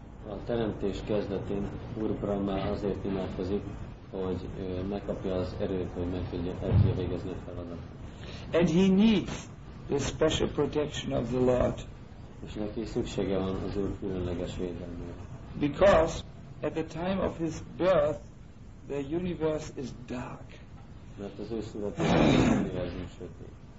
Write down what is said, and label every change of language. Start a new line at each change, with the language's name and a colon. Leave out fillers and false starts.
Hungarian: A teremtés kezdetén Úr Brahma azért imádkozik, hogy megkapja az erőt, hogy meg tudja végezni a feladatot.
English: And he needs the special protection of the Lord.
Hungarian: És neki szüksége van az Úr különleges védelmére.
English: Because at the time of his birth, the universe is dark.
Hungarian: Mert az ő születésekor az univerzum sötét.